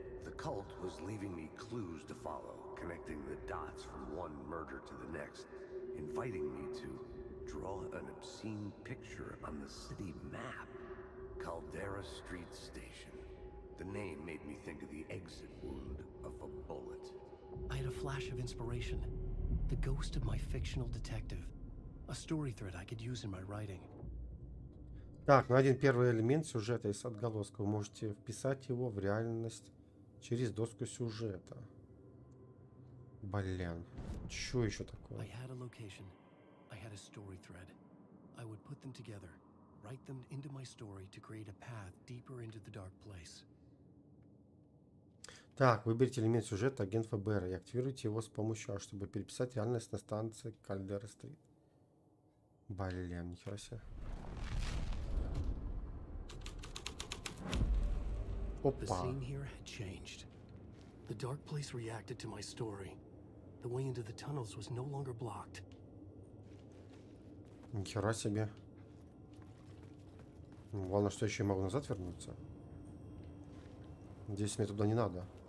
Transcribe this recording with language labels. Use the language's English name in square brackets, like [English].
[English] The cult was leaving me clues to follow, connecting the dots from one murder to the next, inviting me to draw an obscene picture on the city map. Caldera Street Station. The name made me think of the exit wound of a bullet. I had a flash of inspiration. The ghost of my fictional detective. A story thread I could use in my writing. [Russian] Так, ну один первый элемент сюжета из отголоска. Вы можете вписать его в реальность через доску сюжета. Блин. Что еще такое? [English] I had a location. I had a story thread. I would put them together, write them into my story to create a path deeper into the dark place. [Russian] Так, выберите элемент сюжета агент ФБР и активируйте его с помощью А, чтобы переписать реальность на станции Caldera Street. Блин, нихера себе. Опа. [English] The scene here had changed. The dark place reacted to my story. The way into the tunnels was no longer blocked. [Russian] Нихера себе. Главное, что еще я могу назад вернуться. Здесь мне туда не надо.